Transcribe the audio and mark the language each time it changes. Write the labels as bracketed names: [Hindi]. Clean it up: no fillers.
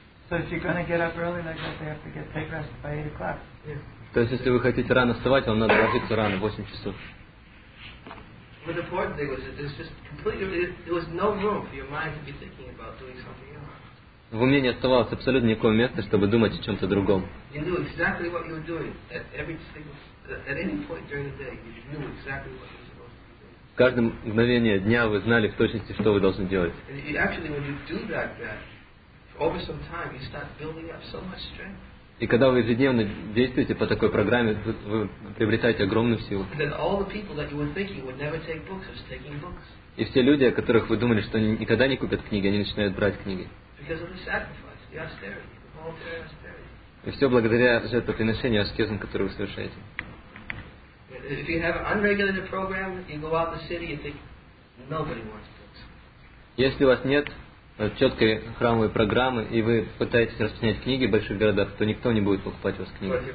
[English] So if you're gonna get up early like that, they have to get take rest by 8 o'clock. Yeah. [Russian] То есть если вы хотите рано вставать, вам надо ложиться рано, 8 часов. [English] But the important thing was that there's just completely there was no room for your mind to be thinking about doing something else. [Russian] В уме не оставалось абсолютно никакого места, чтобы думать о чем-то другом. [English] You knew exactly what you were doing at any point during the day. You knew exactly what you were doing. [Russian] В каждом мгновении дня вы знали в точности, что вы должны делать. [English] And you, actually, when you do that, over some time you start building up so much strength. [Russian] И когда вы ежедневно действуете по такой программе, вы приобретаете огромную силу. [English] And then all the people that you were thinking would never take books are taking books. [Russian] И все люди, о которых вы думали, что они никогда не купят книги, они начинают брать книги. [English] Because of the sacrifice, the austerity, the voluntary austerity. [Russian] И все благодаря жертвоприношению, аскезам, которые вы совершаете. [English] If you have an unregulated program, you go out the city and think nobody wants books. [Russian] Если у вас нет четкой храмовой программы, и вы пытаетесь распространять книги в больших городах, то никто не будет покупать у вас книги.